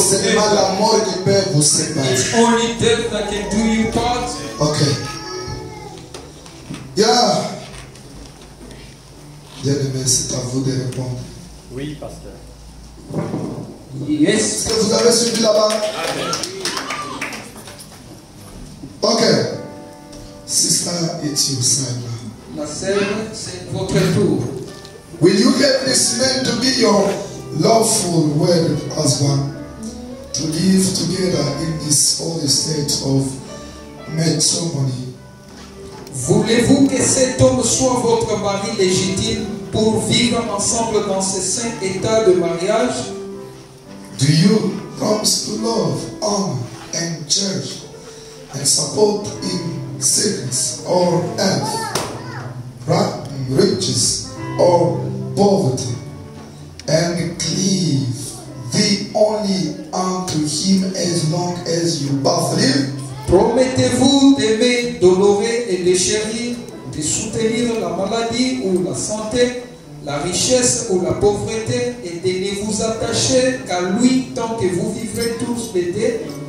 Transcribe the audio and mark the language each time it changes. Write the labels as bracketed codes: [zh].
[fr] c'est seulement la mort qui peut vous séparer. [en] It's only death that can do you part. Okay. Yeah. [fr] Bien aimé, c'est à vous de répondre. Oui, pasteur. [en] Yes. [fr] Est-ce que vous avez suivi là-bas? Amen. [en] Okay. Sister, it's your son. [fr] La sœur, c'est votre tour. [en] Will you get this man to be your lawful wed husband to live together in this holy state of matrimony? [fr] Voulez-vous que cet homme soit votre mari légitime pour vivre ensemble dans ce saint état de mariage? [en] Do you promise to love, honor, and cherish and support him? Sickness or health, riches or poverty, and cleave thee only unto him as long as you both live. [fr] Promettez-vous d'aimer, d'honorer et de chérir, de soutenir la maladie ou la santé, la richesse ou la pauvreté, et de ne vous attacher qu'à lui tant que vous vivrez tous les deux.